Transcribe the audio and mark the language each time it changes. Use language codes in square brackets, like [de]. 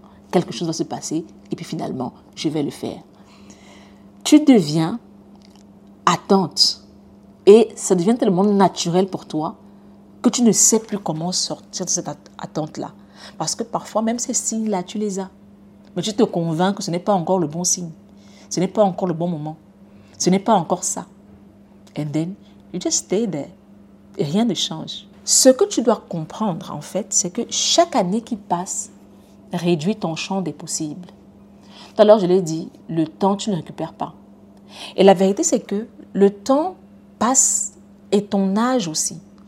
[fr] Quelque chose va se passer et puis finalement, je vais le faire. Tu deviens attente et ça devient tellement naturel pour toi que tu ne sais plus comment sortir de cette attente-là. Parce que parfois, même ces signes-là, tu les as. Mais tu te convaincs que ce n'est pas encore le bon signe. Ce n'est pas encore le bon moment. Ce n'est pas encore ça. [en] And then, you just stay there. [fr] Et rien ne change. Ce que tu dois comprendre, en fait, c'est que chaque année qui passe réduit ton champ des possibles. Tout à l'heure, je l'ai dit, le temps, tu ne récupères pas. Et la vérité, c'est que le temps passe et ton âge aussi.